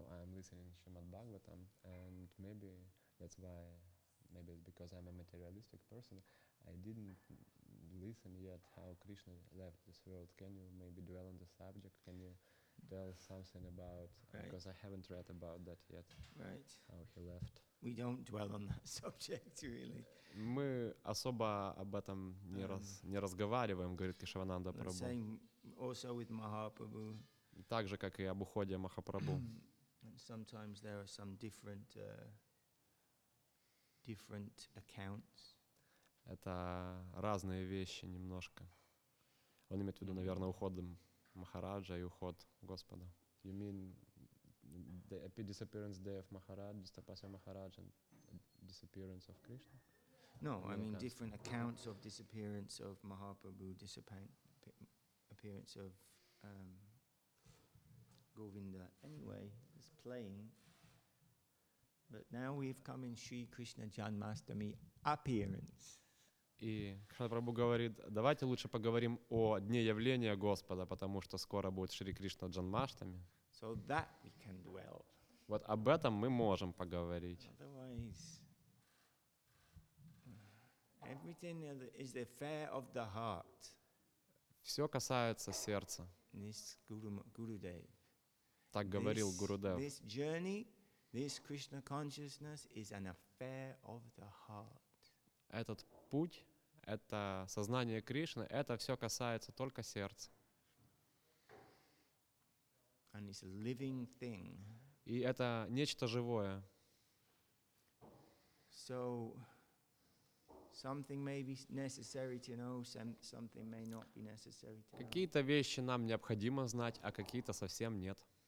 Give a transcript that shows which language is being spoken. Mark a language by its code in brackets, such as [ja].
[en] Listening Srimad Bhagavatam, and maybe it's because I'm a materialistic person, I didn't listen yet how Krishna left this world. Can you maybe dwell on the subject? Can you tell something about, because I haven't read about that yet. Right. How he left. We don't dwell on that subject, really. [ru] Мы особо об этом не разговариваем, говорит Кешавананда Прабху. [en] Same also with Mahaprabhu. [ru] Так же, как и об уходе Махапрабху. [en] And sometimes there are some different different accounts. [ru] Это разные вещи немножко. Он имеет в виду, наверное, уход Махараджа и уход Господа. [en] You mean the disappearance day of Maharaj, Distapasya Maharaj, and disappearance of Krishna? No, I mean different accounts of disappearance of Mahaprabhu, appearance of Govinda. Anyway, it's playing. But now we've come in Sri Krishna Janmashtami appearance. [ru] И Шадрабу говорит, давайте лучше поговорим о дне явления Господа, потому что скоро будет Шри Кришна Джанмаштами. [en] So that we can dwell. [ru] Вот об этом мы можем поговорить. [en] Otherwise, everything is the affair of the heart. [ru] Все касается сердца. [en] This Gurudev. [ru] Так говорил Гурудев. [en] This journey, this Krishna consciousness is an affair of the heart. [ru] Этот путь, это сознание Кришны, это все касается только сердца. [en] And it's a living thing. [ru] И это нечто живое. [en] So something may be necessary to know, something may not be necessary to know. [ru] Какие-то вещи нам необходимо знать, а какие-то совсем нет.